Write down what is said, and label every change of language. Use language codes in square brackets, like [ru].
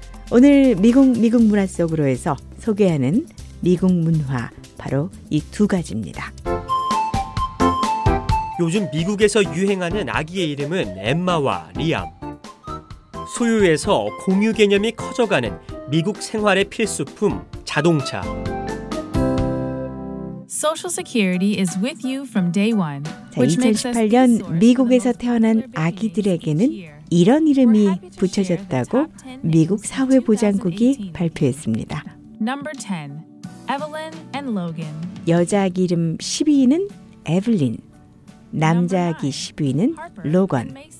[ko] 오늘 미국 미국 문화 속으로 해서 소개하는 미국 문화 바로 이 두 가지입니다. 요즘 미국에서 유행하는 아기의 이름은 엠마와 리암. 소유에서 공유 개념이 커져가는 미국 생활의 필수품 자동차. [en] Social Security is with you from day one. [ko] 자, 2018년 미국에서 태어난 아기들에게는 이런 이름이 붙여졌다고 미국 사회보장국이 발표했습니다. [en] Number 10. Evelyn and Logan. [ko] 여자 아기 이름 12위는 에블린. 남자 아기 12위는 로건.